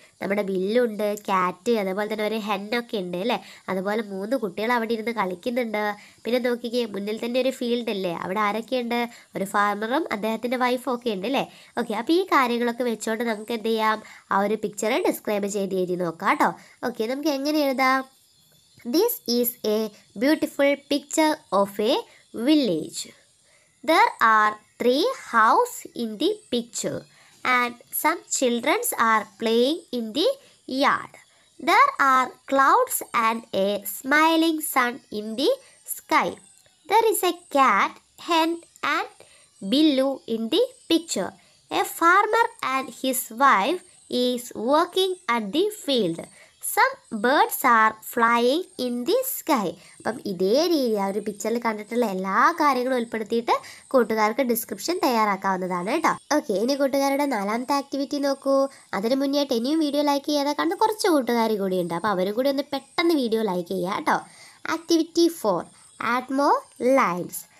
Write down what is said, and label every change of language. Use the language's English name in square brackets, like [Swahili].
[Malayalam] നമ്മുടെ ബില്ലുണ്ട്, കാറ്റ്, അതുപോലെ തന്നെ ഒരു ഹെന്നൊക്കെ ഉണ്ട് അല്ലേ. അതുപോലെ മൂന്ന് കുട്ടികൾ അവിടെ ഇരുന്ന് കളിക്കുന്നുണ്ട്. പിന്നെ നോക്കിക്കേ, മുന്നിൽ തന്നെ ഒരു ഫീൽഡ് അല്ലേ, അവിടെ ആരൊക്കെയുണ്ട്? ഒരു ഫാർമറും അദ്ദേഹത്തിൻ്റെ വൈഫും ഒക്കെ ഉണ്ട് അല്ലേ. ഓക്കെ, അപ്പോൾ ഈ കാര്യങ്ങളൊക്കെ വെച്ചുകൊണ്ട് നമുക്ക് എന്ത് ചെയ്യാം, ആ ഒരു പിക്ചർ ഡിസ്ക്രൈബ് ചെയ്ത് എഴുതി നോക്കാം കേട്ടോ. ഓക്കെ, നമുക്ക് എങ്ങനെ എഴുതാം? [English] This is a beautiful picture of a village. There are 3 houses in the picture and some children are playing in the yard. There are clouds and a smiling sun in the sky. There is a cat, hen and billu in the picture. A farmer and his wife is working at the field. Some birds are flying in the sky. [Malayalam] അപ്പം ഇതേ രീതി ആ ഒരു പിക്ചറിൽ കണ്ടിട്ടുള്ള എല്ലാ കാര്യങ്ങളും ഉൾപ്പെടുത്തിയിട്ട് കൂട്ടുകാർക്ക് ഡിസ്ക്രിപ്ഷൻ തയ്യാറാക്കാവുന്നതാണ് കേട്ടോ. ഓക്കെ, ഇനി കൂട്ടുകാരുടെ നാലാമത്തെ ആക്ടിവിറ്റി നോക്കൂ. അതിന് മുന്നേയായിട്ട് ഇനിയും വീഡിയോ ലൈക്ക് ചെയ്യാതെ കണ്ട് കുറച്ച് കൂട്ടുകാർ കൂടി ഉണ്ട്. അപ്പോൾ അവരും കൂടി ഒന്ന് പെട്ടെന്ന് വീഡിയോ ലൈക്ക് ചെയ്യുക കേട്ടോ. Activity 4, add more lines.